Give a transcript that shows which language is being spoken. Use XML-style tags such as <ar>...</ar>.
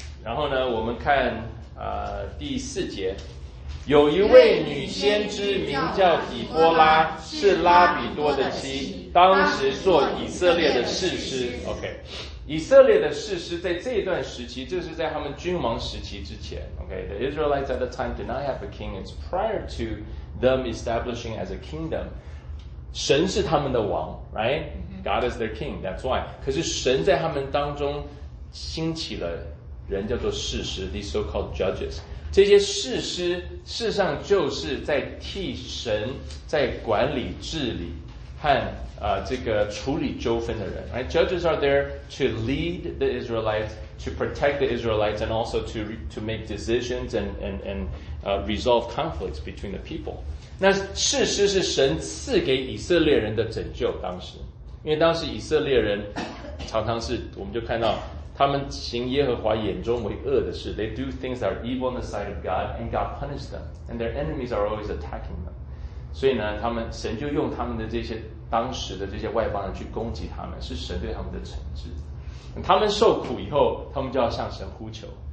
<zh>然后呢，我们看第四节。有一位女先知名叫底波拉，是拉比多的妻，当时做以色列的士师。 OK， 以色列的士师在这段时期，这是在他们君王时期之前。</zh> <en>OK，The Israelites at the time did not have a king. It's prior to them establishing as a kingdom.</en> <zh>神是他们的王</zh> <en>，right? God is their king. That's why.</en> <zh>可是神在他们当中兴起了人，叫做士师 ，</zh> <en>these so-called judges.</en> <zh>这些士师事实上就是在替神在管理治理和这个处理纠纷的人。</zh> <en>Right? Judges are there to lead the Israelites, to protect the Israelites, and also to make decisions and resolve conflicts between the people.</en> <zh>那士师是神赐给以色列人的拯救当时。因为当时以色列人常常是我们就看到他们行耶和华眼中为恶的事</zh> <en>They do things that are evil in the sight of God And God punished them And their enemies are always attacking them</en> <zh>所以呢他们神就用他们的这些当时的这些外邦人去攻击他们是神对他们的惩治他们受苦以后他们就要向神呼求</zh>